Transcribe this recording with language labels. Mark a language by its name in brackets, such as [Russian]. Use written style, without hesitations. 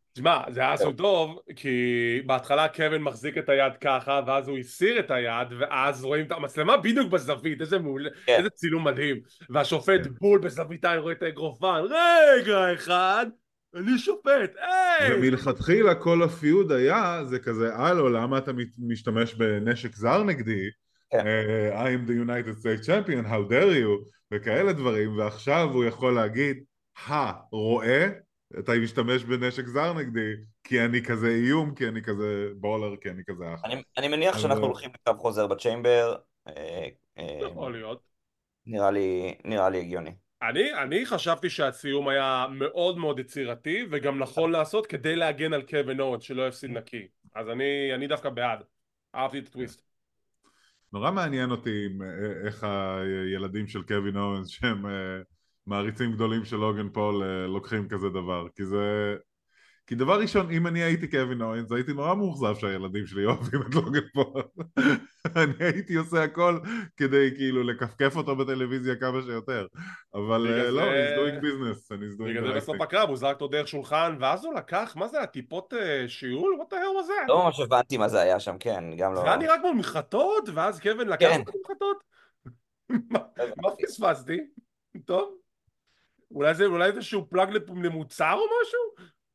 [Hebrew] תשמע, זה היה עשוי טוב, כי בהתחלה קווין מחזיק את היד ככה, ואז הוא הסיר את היד, ואז רואים את המצלמה בדיוק בזווית, איזה מול, איזה צילום מדהים. והשופט בול בזווית העין רואה את האגרופן, רגע אחד, אני שופט, היי! ומלכתחילה כל הפיוד היה, זה כזה, הלו, למה אתה משתמש בנשק זר נגדי? [English] I'm the United States Champion, how dare you? [Hebrew] וכאלה דברים, ועכשיו הוא יכול להגיד, ה, רואה? אתה משתמש בנשק זר נגדי, כי אני כזה איום, כי אני כזה בולר, כי אני כזה אחלה. אני מניח שאנחנו הולכים לקו חוזר בצ'יימבר. יכול להיות. נראה לי הגיוני. אני חשבתי שהסיום היה מאוד מאוד יצירתי, וגם נכון לעשות כדי להגן על קווין אוונס שלא יפסיד נקי. אז אני דווקא בעד. אהבתי את הטוויסט. נורא מעניין אותי איך הילדים של קווין אוונס שהם... מעריצים גדולים של לוגן פול לוקחים כזה דבר, כי זה... כי דבר ראשון, אם אני הייתי קווין אוינס, הייתי נורא מאוכזב שהילדים שלי אוהבים את לוגן פול. אני הייתי עושה הכל כדי כאילו לקפקף אותו בטלוויזיה כמה שיותר. אבל לא, [English] he's doing business, and he's doing the right thing. [Hebrew] בגלל זה בסוף הקרב, הוא זרק אותו דרך שולחן, ואז הוא לקח, מה זה, הטיפות שיעול? מה תהיום הזה? לא ממש הבנתי מה זה היה שם, כן, גם לא... זה היה נראה כמו מחטות, ואז קווין לקח את המחטות? מה פספסתי? טוב. אולי זה איזשהו פלאג למוצר או משהו?